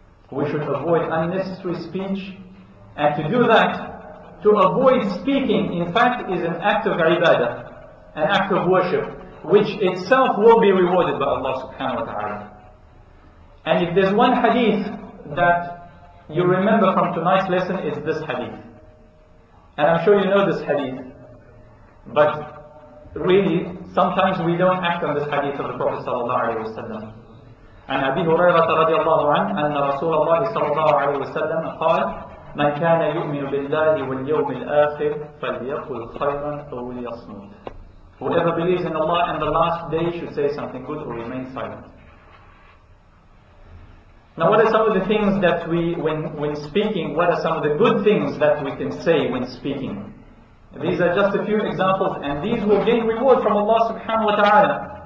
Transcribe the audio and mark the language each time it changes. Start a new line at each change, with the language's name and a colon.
English: We should avoid unnecessary speech, and to do that, to avoid speaking, in fact, is an act of ibadah, an act of worship, which itself will be rewarded by Allah subhanahu wa ta'ala. And if there's one hadith that you remember from tonight's lesson, it's this hadith. And I'm sure you know this hadith, but really, sometimes we don't act on this hadith of the Prophet sallallahu alayhi wa sallam.
Arabic: عن أبي هريرة رضي الله عنه أن رسول الله صلى الله عليه وسلم قال من كان يؤمن بالله واليوم الآخر فليقل خيرا أو ليصمت.
English: Whoever believes in Allah and the last day should say something good or remain silent. Now what are some of the things that we, when speaking, what are some of the good things that we can say when speaking? These are just a few examples, and these will gain reward from Allah subhanahu wa ta'ala.